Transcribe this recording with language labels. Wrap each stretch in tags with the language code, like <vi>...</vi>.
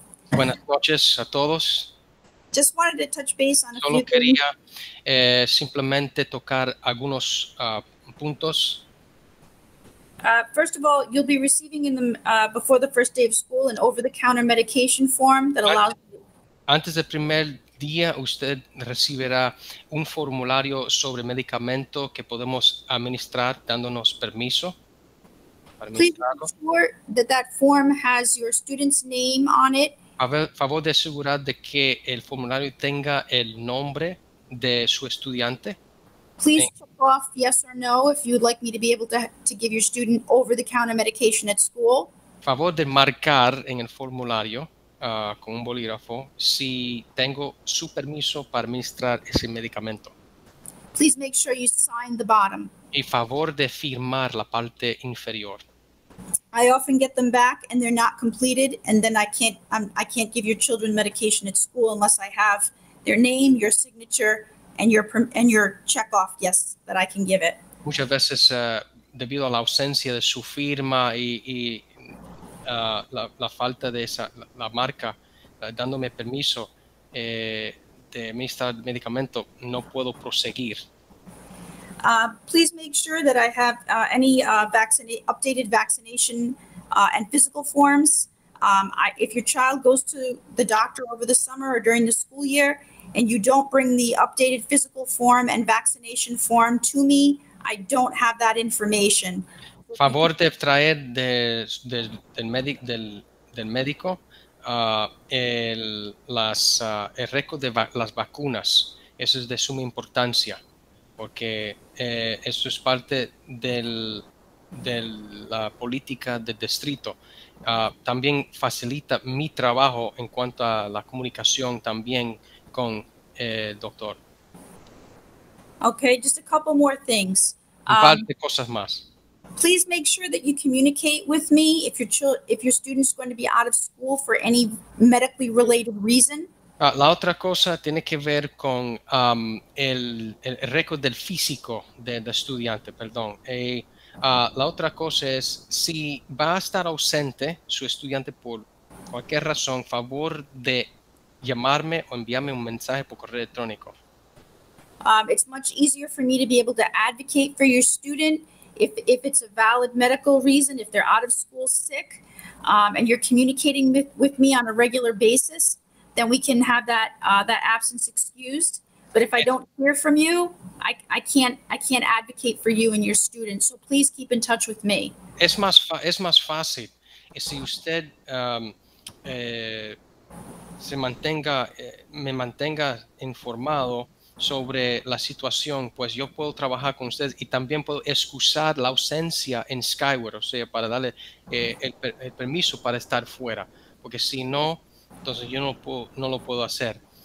<es>Buenas noches a todos.</es> <en>Just wanted to touch base on a few things.</en> <es>Simplemente tocar algunos puntos.</es> <en>First of all, you'll be receiving in the before the first day of school an over-the-counter medication form that allows you...</en> <es>Antes del primer día, usted recibirá un formulario sobre medicamento que podemos administrar dándonos permiso.</es> <en>Please make sure that form has your student's name on it.</en> <es>A ver, favor de asegurar de que el formulario tenga el nombre de su estudiante.</es> <en>Please check off yes or no if you'd like me to be able to give your student over-the-counter medication at school.</en> <es>Favor de marcar en el formulario con un bolígrafo si tengo su permiso para administrar ese medicamento.</es> <en>Please make sure you sign the bottom.</en> <es>Y favor de firmar la parte inferior.</es> <en>I often get them back and they're not completed, and then I can't give your children medication at school unless I have their name, your signature, and your check off yes that I can give it.</en> <es>Muchas veces debido a la ausencia de su firma y la falta de esa la marca dándome permiso de administrar medicamento, no puedo proseguir.</es> <en>Please make sure that I have updated vaccination and physical forms. If your child goes to the doctor over the summer or during the school year and you don't bring the updated physical form and vaccination form to me, I don't have that information.</en> <es>Favor de traer del médico el récord de las vacunas. Eso es de suma importancia. Porque esto es parte de la política del distrito. También facilita mi trabajo en cuanto a la comunicación también con el doctor.</es> <en>Okay, just a couple more things.</en> <es>Un par de cosas más.</es> <en>Please make sure that you communicate with me if your student's going to be out of school for any medically related reason.</en> <es>La otra cosa tiene que ver con el récord del físico del estudiante, perdón. La otra cosa es, si va a estar ausente su estudiante por cualquier razón, favor de llamarme o enviarme un mensaje por correo electrónico.</es> <en>It's much easier for me to be able to advocate for your student if it's a valid medical reason, if they're out of school sick, and you're communicating with me on a regular basis. Then we can have that absence excused. But if I don't hear from you, I can't advocate for you and your students. So please keep in touch with me.</en> <es>Es más fácil si usted me mantenga informado sobre la situación, pues yo puedo trabajar con usted y también puedo excusar la ausencia en Skyward, o sea, para darle el permiso para estar fuera, porque si no, entonces yo no lo puedo hacer.</es>